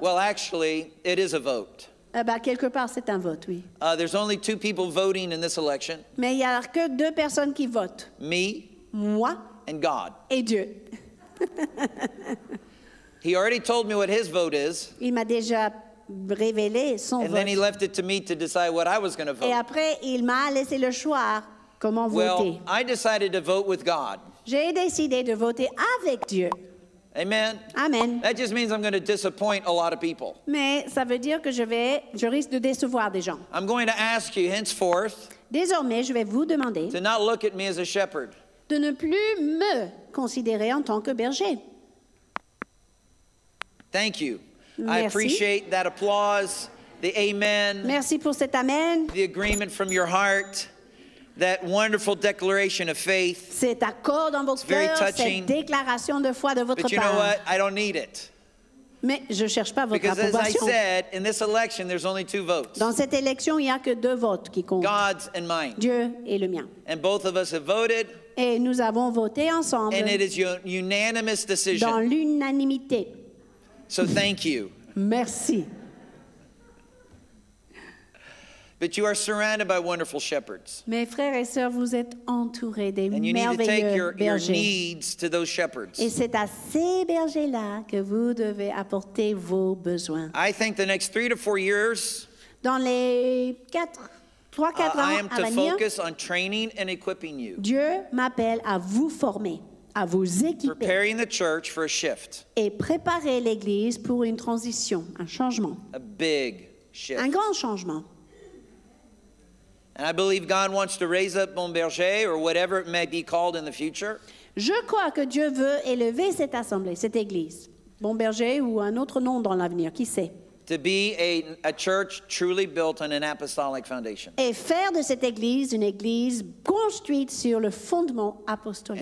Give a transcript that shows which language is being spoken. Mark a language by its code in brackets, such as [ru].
[en] Well, actually, it is a vote. [fr] Quelque part, c'est un vote, oui. [en] There's only two people voting in this election. [fr] Mais il y a que deux personnes qui votent. [en] Me. [fr] Moi. [en] And God. [fr] Et Dieu. [en] He already told me what his vote is. [fr] Il m'a déjà révélé son [en] and [fr] vote. [en] And then he left it to me to decide what I was going to vote. [fr] Et après, il m'a laissé le choix comment [en] well, [fr] voter. [en] Well, I decided to vote with God. [fr] J'ai décidé de voter avec Dieu. [en] Amen. [fr] Amen. [en] That just means I'm going to disappoint a lot of people. [fr] Mais ça veut dire que je risque de décevoir des gens. [en] I'm going to ask you henceforth. [fr] Désormais, je vais vous demander. [en] To not look at me as a shepherd. [fr] De ne plus me considérer en tant que berger. [en] Thank you. [fr] Merci. [en] I appreciate that applause, the amen. [fr] Merci pour cet amen. [en] The agreement from your heart. That wonderful declaration of faith. [fr] Cet accord dans votre cœur, cette déclaration de foi de votre part. [en] But you know what? I don't need it. [fr] Mais je cherche pas votre approbation. [en] Because as I said, in this election, there's only two votes. [fr] Dans cette élection, il y a que deux votes qui comptent. [en] God's and mine. [fr] Dieu et le mien. [en] And both of us have voted. [fr] Et nous avons voté ensemble. [en] And it is a unanimous decision. [fr] Dans l'unanimité. [en] So thank you. [fr] Merci. [en] But you are surrounded by wonderful shepherds. [fr] Mes frères et sœurs, vous êtes entourés des merveilleux bergers. [en] And you need to take your needs to those shepherds. [fr] Et c'est à ces bergers-là que vous devez apporter vos besoins. [en] I think the next 3 to 4 years. [fr] Dans les 3-4 ans à venir. [en] I am to focus on training and equipping you. [fr] Dieu m'appelle à vous former, à vous équiper. [en] Preparing the church for a shift. [fr] Et préparer l'église pour une transition, un changement. [en] A big shift. [fr] Un grand changement. [en] And I believe God wants to raise up Bon Berger or whatever it may be called in the future. [fr] Je crois que Dieu veut élever cette assemblée, cette église, Bon Berger ou un autre nom dans l'avenir, qui sait. [en] To be a church truly built on an apostolic foundation. [fr] Et faire de cette église une église construite sur le fondement apostolique.